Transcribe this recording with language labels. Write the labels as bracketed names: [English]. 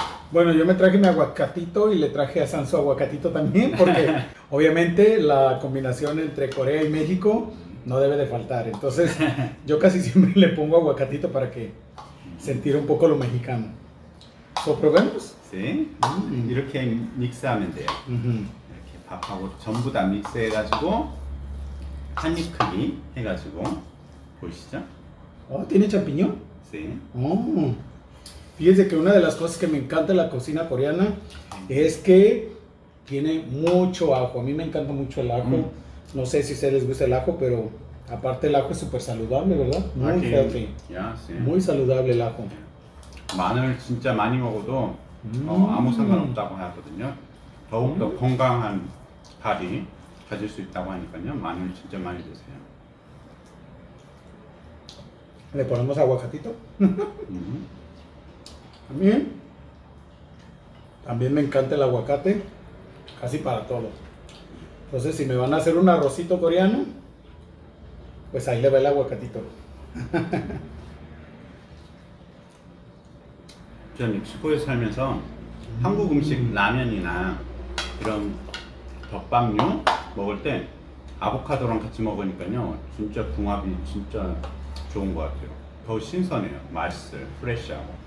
[Spanish] Bueno, yo me traje mi aguacatito y le traje a San su aguacatito también, porque obviamente la combinación entre Corea y México no debe de faltar. Entonces, yo casi siempre le pongo aguacatito para que sentir un poco lo mexicano. ¿Lo probemos? [Korean] Sí. Mm. 이렇게 믹스하면 돼요. Mm-hmm. 이렇게 밥하고 전부 다 믹스해가지고 한 입 크기 해가지고 보시죠. [Spanish] ¿Tiene champiñón? Sí. Fíjense que una de las cosas que me encanta de la cocina coreana es que tiene mucho ajo. A mí me encanta mucho el ajo. No sé si a ustedes les gusta el ajo, pero aparte el ajo es súper saludable, ¿verdad? Muy aquí, [English] healthy. Yeah, [Spanish] sí. Muy saludable el ajo. [Korean] 마늘 진짜 많이 먹어도 아무 상관없다고 하거든요. 더욱더 건강한 밥이 가질 수 있다고 하니까요. 마늘 진짜 많이 드세요. [Spanish] Le ponemos aguacatito. También. También me encanta el aguacate. Casi para todo. Entonces, si me van a hacer un arrocito coreano, pues ahí le va el aguacatito. [Korean] 제가 멕시코에 살면서 한국 음식 라면이나 이런 덮밥류 먹을 때 아보카도랑 같이 먹으니까요. 진짜 궁합이 진짜 좋은 것 같아요. 더 신선해요. 맛있어요. 프레쉬하고.